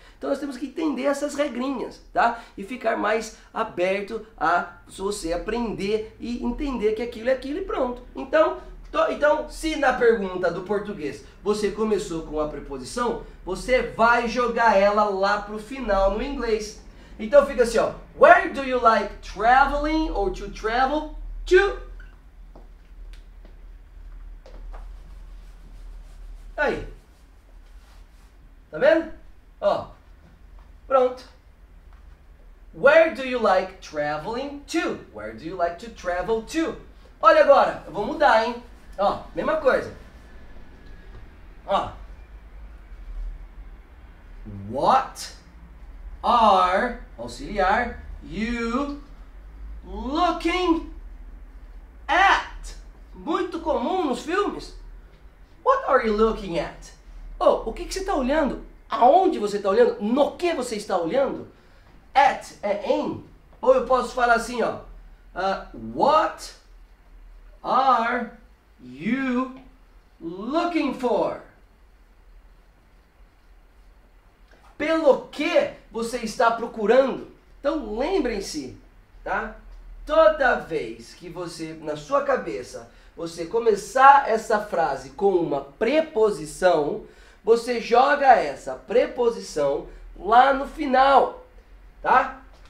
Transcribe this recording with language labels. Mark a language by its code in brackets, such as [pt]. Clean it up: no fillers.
[pt] Então nós temos que entender essas regrinhas, tá? E ficar mais aberto a você aprender e entender que aquilo é aquilo e pronto. Então, se na pergunta do português você começou com a preposição, você vai jogar ela lá pro final no inglês. Então fica assim, ó. [en] Where do you like traveling or to travel to? [pt] Aí. Tá vendo? Ó. Pronto. [en] Where do you like traveling to? Where do you like to travel to? [pt] Olha agora. Eu vou mudar, hein? Ó. Mesma coisa. Ó. [en] What are... Auxiliar, you looking at. [pt] Muito comum nos filmes. [en] What are you looking at? [pt] Oh, o que você está olhando? Aonde você está olhando? No que você está olhando? At é em. Ou eu posso falar assim, ó. [en] What are you looking for? [pt] Pelo que você está procurando? Então lembrem-se, tá? Toda vez que você, na sua cabeça, você começar essa frase com uma preposição, você joga essa preposição lá no final, tá?